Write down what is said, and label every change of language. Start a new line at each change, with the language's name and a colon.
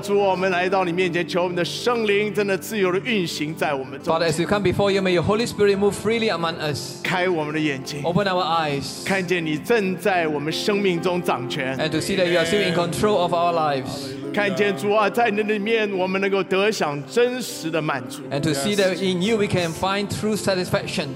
Chinese: 主，我们来到你面前，求我们的圣灵真的自由的运行在我们中间。
English: Father, as we come before you, may your Holy Spirit move freely among us.
Chinese: 开我们的眼睛。
English: Open our eyes.
Chinese: 看见你正在我们生命中掌权。
English: And to see that you are still in control of our lives.
Chinese: 看见主啊，在你里面，我们能够得享真实的满足。
English: And to see that in you we can find true satisfaction.